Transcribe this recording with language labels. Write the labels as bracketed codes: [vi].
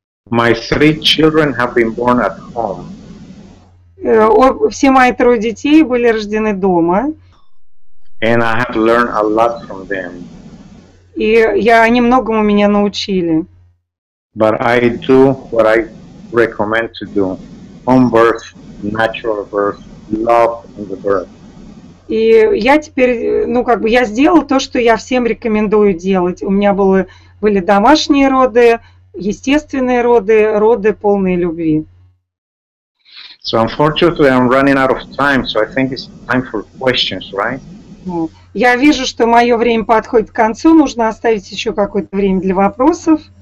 [en] My three children have been born at home. [ru] Все мои трое детей были рождены дома. [en] And I have learned a lot from them. [ru] И они многому меня научили. [en] But I do what I recommend to do. Home birth, natural birth, love in the birth. [ru] И я теперь, ну как бы, я сделала то, что я всем рекомендую делать. У меня были домашние роды, естественные роды, роды полные любви. [en] So unfortunately I'm running out of time, so I think it's time for questions, right? [ru] Я вижу, что мое время подходит к концу, нужно оставить еще какое-то время для вопросов.